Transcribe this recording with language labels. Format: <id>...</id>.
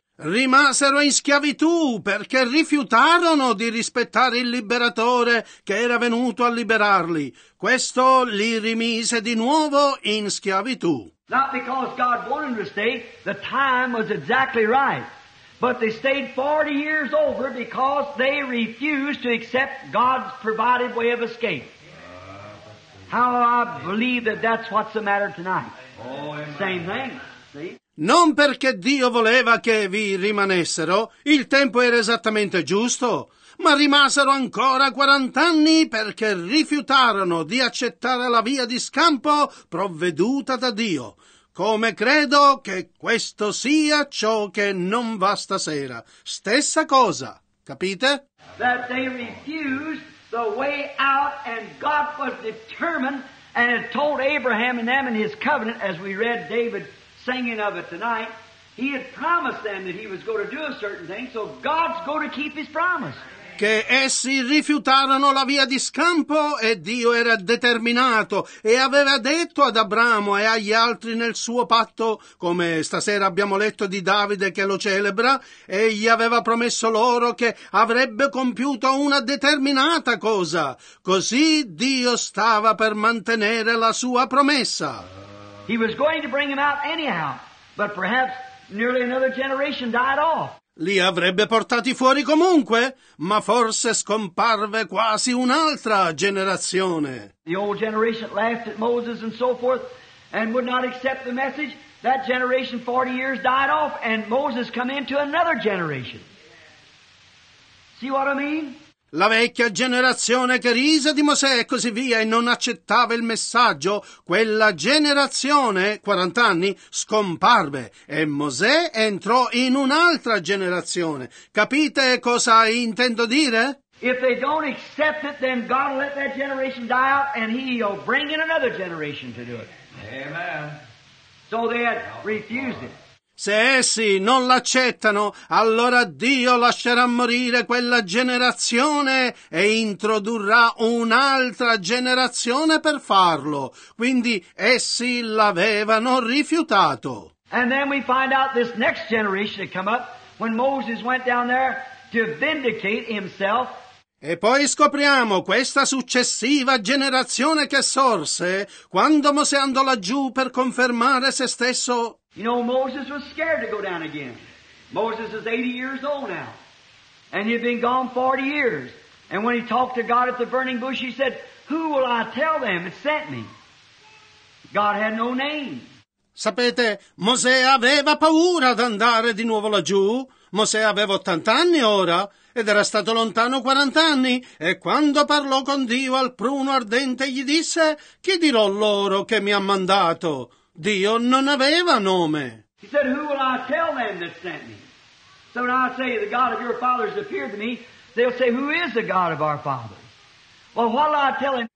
<it>Rimasero in schiavitù perché rifiutarono di rispettare il liberatore che era venuto a liberarli. Questo li rimise di nuovo in schiavitù.</it> <en>Not because God wanted them to stay, the time was exactly right. But they stayed 40 years over because they refused to accept God's provided way of escape. How I believe that that's what's the matter tonight. Same thing, see?</en> <it>Non perché Dio voleva che vi rimanessero, il tempo era esattamente giusto, ma rimasero ancora 40 anni perché rifiutarono di accettare la via di scampo provveduta da Dio. Come credo che questo sia ciò che non va stasera. Stessa cosa, capite?</it> <en>That they refused the way out and God was determined and had told Abraham and them in his covenant, as we read David singing of it tonight, he had promised them that he was going to do a certain thing, so God's going to keep his promise.</en> <it>Che essi rifiutarono la via di scampo e Dio era determinato e aveva detto ad Abramo e agli altri nel suo patto, come stasera abbiamo letto di Davide che lo celebra, egli aveva promesso loro che avrebbe compiuto una determinata cosa. Così Dio stava per mantenere la sua promessa.</it> <en>He was going to bring him out anyhow, but perhaps nearly another generation died off.</en> <it>Li avrebbe portati fuori comunque, ma forse scomparve quasi un'altra generazione.</it> <en>The old generation laughed at Moses and so forth and would not accept the message. That generation 40 years died off and Moses come into another generation. See what I mean?</en> <it>La vecchia generazione che rise di Mosè e così via e non accettava il messaggio, quella generazione, 40 anni, scomparve e Mosè entrò in un'altra generazione. Capite cosa intendo dire?</it> <en>If they don't accept it, then God will let that generation die out and he'll bring in another generation to do it. Amen. So they had refused it.</en> <it>Se essi non l'accettano, allora Dio lascerà morire quella generazione e introdurrà un'altra generazione per farlo. Quindi essi l'avevano rifiutato.</it> <en>And then we find out this next generation had come up when Moses went down there to vindicate himself.</en> <it>E poi scopriamo questa successiva generazione che sorse quando Mosè andò laggiù per confermare se stesso.</it> <en>You know, Moses was scared to go down again. Moses is 80 years old now. And he'd been gone 40 years. And when he talked to God at the burning bush, he said, "Who will I tell them that sent me?" God had no name.</en> <it>Sapete, Mosè aveva paura di andare di nuovo laggiù. Mosè aveva 80 anni ora. Ed era stato lontano 40 anni, e quando parlò con Dio al pruno ardente gli disse: "Chi dirò loro che mi ha mandato?" Dio non aveva nome.</it> <en>He said, "Who will I tell them that sent me?" So when I say the God of your fathers appeared to me, they'll say, "Who is the God of our fathers?" Well, what will I tell him?</en>